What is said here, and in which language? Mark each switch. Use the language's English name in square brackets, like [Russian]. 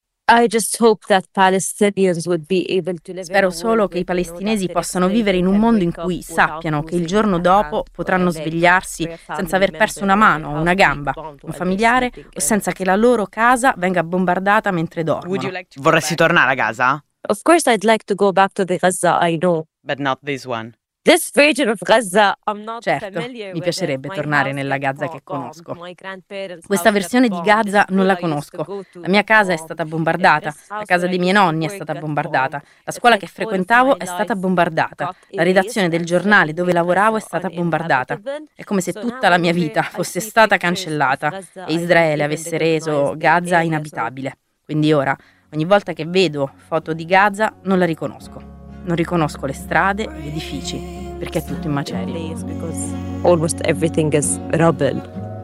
[Italian] Spero solo che i palestinesi possano vivere in un mondo in cui sappiano che il giorno dopo potranno svegliarsi senza aver perso una mano, una gamba, un familiare o senza che la loro casa venga bombardata mentre dormono. Vorresti tornare a Gaza? [English] Of course I'd like to go back to the Gaza I know. But not this one. This region of Gaza, [Italian] certo, mi piacerebbe tornare nella Gaza che conosco. Questa versione di Gaza non la conosco. La mia casa è stata bombardata, la casa dei miei nonni è stata bombardata, la scuola che frequentavo è stata bombardata, la redazione del giornale dove lavoravo è stata bombardata. È come se tutta la mia vita fosse stata cancellata e Israele avesse reso Gaza inabitabile. Quindi ora, ogni volta che vedo foto di Gaza, non la riconosco. Non riconosco le strade, gli edifici, perché è tutto in macerie. [English] Almost everything is rubble.